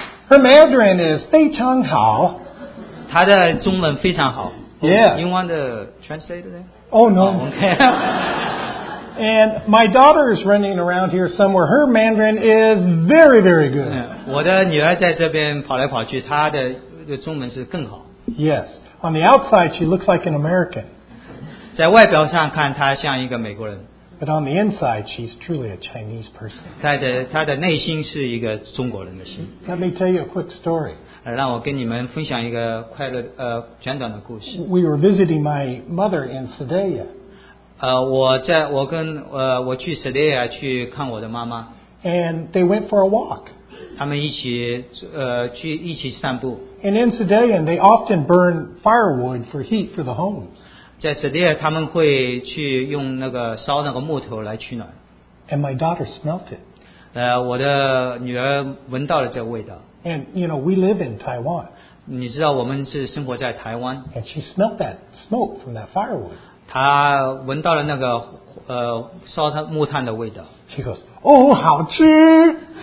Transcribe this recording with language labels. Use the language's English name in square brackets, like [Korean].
[English] Her Mandarin is [Chinese] 非常好。她的中文非常好。 [English] Yeah. You want to translate it? Oh, no. Okay. And my daughter is running around here somewhere. Her Mandarin is very, very good. [Chinese] 我的女儿在这边跑来跑去，她的中文是更好。 [English] Yes. On the outside, she looks like an American. [Chinese] 在外表上看，她像一个美国人。 [English] But on the inside, she's truly a Chinese person. [Chinese] 她的内心是一个中国人的心。 [English] Let me tell you a quick story. [Chinese] 让我跟你们分享一个快乐简短的故事。 [English] We were visiting my mother in Sedalia. [Chinese] 我去 Sedalia 去看我的妈妈。 [English] And they went for a walk. [Chinese] 他们一起散步。 [English] And in Sedalia, they often burn firewood for heat for the homes. [Chinese] 在 Sedalia 他们会去用那个烧那个木头来取暖。 [English] And my daughter smelt it. [Chinese] 我的女儿闻到了这个味道。 [English] And you know, we live in Taiwan. [Chinese] 你知道我们是生活在台湾。 [English] And she smelt that smoke from that firewood. [Chinese] 她闻到了那个烧木炭的味道。 [English] She goes, oh, [Chinese] 好吃。